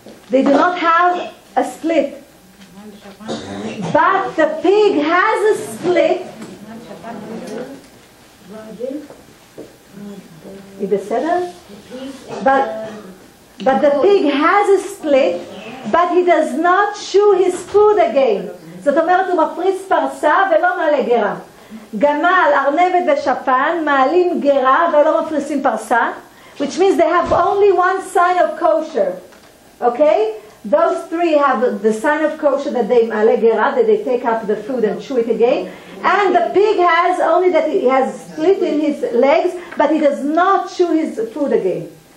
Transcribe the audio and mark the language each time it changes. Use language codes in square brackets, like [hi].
[en] They do not have a split. But the pig has a split. But the pig has a split, but he does not chew his food again. [he] זאת אומרת, הוא מפריס פרסה ולא מעלה גרה. גמל, ארנבת ושפן מעלים גרה ולא מפריסים פרסה. [en] Which means they have only one sign of kosher. Okay? Those three have the sign of kosher that they [he] מעלה גרה, [en] that they take up the food and chew it again. And the pig has only that he has split in his legs, but he does not chew his food again.